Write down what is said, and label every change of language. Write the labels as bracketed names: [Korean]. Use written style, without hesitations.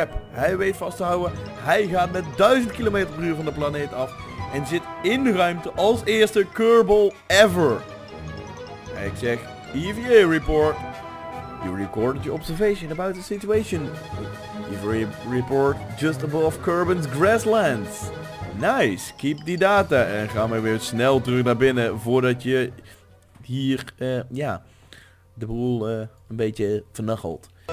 [Dutch] Hij weet vast te houden. Hij gaat met 1000 km/u van de planeet af. En zit in de ruimte als eerste Kerbal ever. Ik zeg EVA report. [English] You recorded your observation about the situation. EVA report just above Kerbin's grasslands. [Dutch] Nice, keep die data. En ga maar weer snel terug naar binnen voordat je hier, de boel een beetje vernachelt.